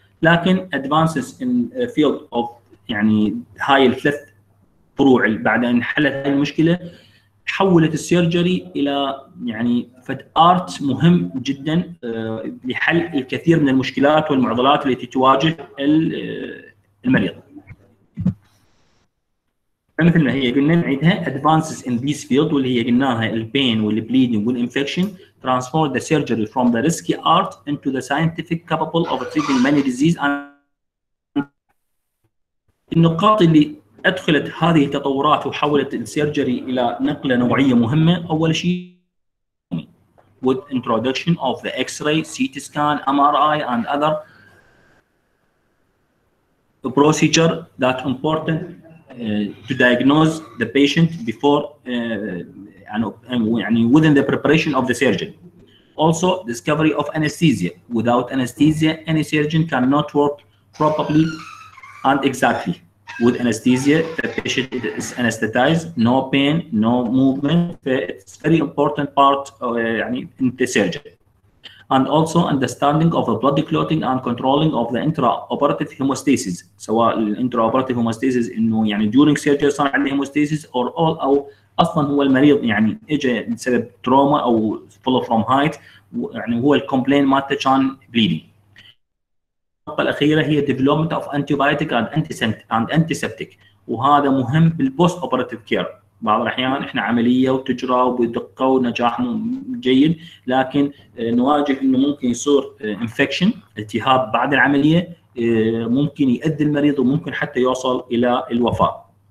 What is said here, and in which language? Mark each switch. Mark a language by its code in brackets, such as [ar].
[ar] لكن [en] advances in field of [ar] يعني هاي الثلاث فروع بعد ان حلت هاي المشكله حولت السيرجري الى يعني فد ارت مهم جدا لحل الكثير من المشكلات والمعضلات التي تواجه المريض. مثل ما هي قلنا نعيدها، [en] advances in this field [ar] واللي هي قلناها [en] الـ pain والـ bleeding والـ infection transform the surgery from the risky art into the scientific capable of treating many diseases. [ar] النقاط اللي أدخلت هذه التطورات وحولت الـ surgery إلى نقلة نوعية مهمة، أول شيء [en] with introduction of the X-ray, CT scan, MRI and other procedure that important to diagnose the patient before [ar] يعني [en] within the preparation of the surgeon. Also discovery of anesthesia. Without anesthesia any surgeon cannot work properly and exactly. With anesthesia the patient is anesthetized, no pain, no movement. It's very important part [ar] يعني [en] in the surgeon. And also understanding of the blood clotting and controlling of the intraoperative hemostasis. [ar] سواء [en] intraoperative hemostasis [ar] إنه يعني [en] during surgery [ar] صار عنده [en] hemostasis or all [ar] أو أصلاً هو المريض يعني إجى بسبب trauma أو [en] fall from height [ar] يعني هو [en] complaint [ar] مالته كان [en] bleeding. [ar] النقطة الأخيرة هي [en] development of antibiotic and antiseptic. [ar] وهذا مهم بال [en] post operative care. [ar] بعض الأحيان إحنا عملية وتجرى وبدقة ونجاح جيد، لكن نواجه إنه ممكن يصير إنفكشن التهاب بعد العملية ممكن يؤذي المريض وممكن حتى يوصل إلى الوفاة.